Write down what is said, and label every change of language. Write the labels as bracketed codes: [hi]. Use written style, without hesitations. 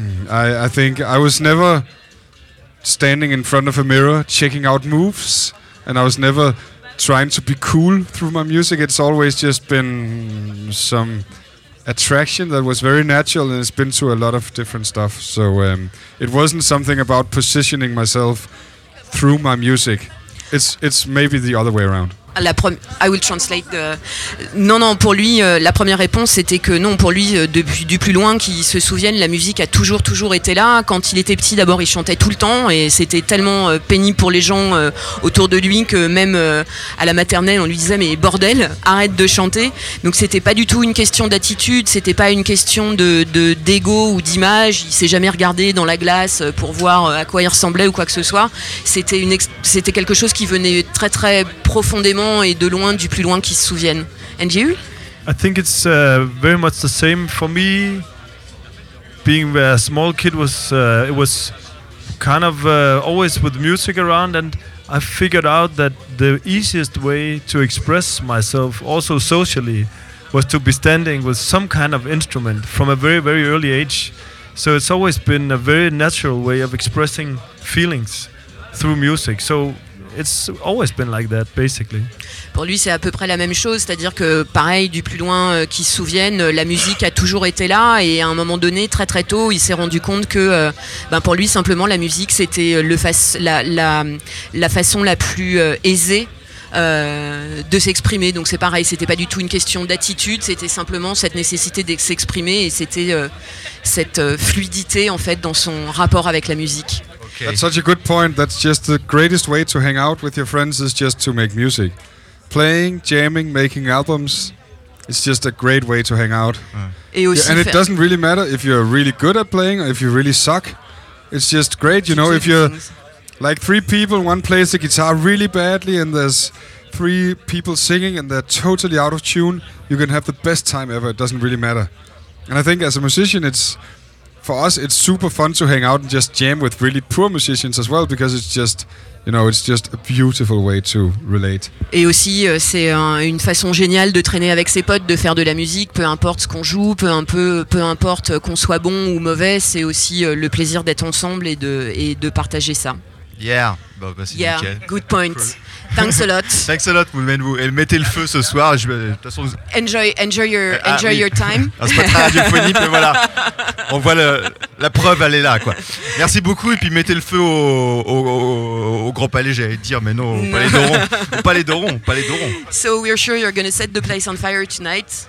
[en] I think I was never standing in front of a mirror checking out moves, and I was never trying to be cool through my music. It's always just been some attraction that was very natural, and it's been to a lot of different stuff. So it wasn't something about positioning myself through my music. It's maybe the other way around. I will translate. [fr] Non, pour lui, la première réponse c'était que non, pour lui, depuis du plus loin qu'il se souvienne, la musique a toujours été là. Quand il était petit, d'abord, il chantait tout le temps et c'était tellement pénible pour les gens autour de lui que même à la maternelle, on lui disait mais bordel, arrête de chanter. Donc c'était pas du tout une question d'attitude, c'était pas une question de d'ego ou d'image. Il s'est jamais regardé dans la glace pour voir à quoi il ressemblait ou quoi que ce soit. C'était quelque chose qui venait très très profondément et de loin du plus loin qui se souviennent. [en] And you? I think it's very much the same for me. Being a small kid was kind of always with music around, and I figured out that the easiest way to express myself also socially was to be standing with some kind of instrument from a very very early age. So it's always been a very natural way of expressing feelings through music. So it's always been like that, basically. [fr] Pour lui, c'est à peu près la même chose, c'est-à-dire que, pareil, du plus loin qu'il se souvienne, la musique a toujours été là, et à un moment donné, très très tôt, il s'est rendu compte que, pour lui, simplement, la musique, c'était la façon la plus aisée de s'exprimer. Donc c'est pareil, c'était pas du tout une question d'attitude, c'était simplement cette nécessité de s'exprimer, et c'était cette fluidité, en fait, dans son rapport avec la musique. [en] Okay. That's such a good point. That's just the greatest way to hang out with your friends is just to make music. Playing, jamming, making albums, it's just a great way to hang out. Yeah. Yeah, and it doesn't really matter if you're really good at playing or if you really suck. It's just great, you know, if you're like three people, one plays the guitar really badly and there's three people singing and they're totally out of tune, you can have the best time ever. It doesn't really matter. And I think as a musician, it's for us, it's super fun to hang out and just jam with really poor musicians as well, because it's just, you know, it's just a beautiful way to relate. [fr] Et aussi, c'est une façon géniale de traîner avec ses potes, de faire de la musique, peu importe ce qu'on joue, peu importe qu'on soit bon ou mauvais, c'est aussi le plaisir d'être ensemble et de partager ça. Yeah, bon, bah, c'est yeah. Nickel. [en] Good point. Thanks a lot. Thanks a lot, [fr] Moulmen-Wu. Et mettez le feu ce soir. De toute façon, vous... [en] enjoy your time. [fr] C'est pas très radiophonique, mais voilà. On voit la preuve, elle est là, quoi. Merci beaucoup. Et puis mettez le feu au Grand Palais, j'allais dire, mais non, au Palais d'Oron. [en] So we're sure you're gonna set the place on fire tonight.